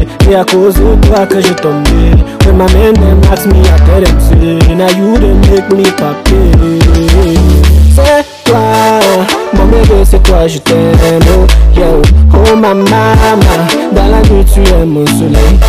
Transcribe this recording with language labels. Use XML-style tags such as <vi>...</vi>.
<fr>C'est à cause de toi que j'ai tombé.</fr> <en>When my man them ask me, I tell them say, now you didn't make me papier.</en> <fr>C'est toi, mon bébé, c'est toi, je t'aime. Oh, yo, oh ma mama, dans la nuit tu es mon soleil.</fr>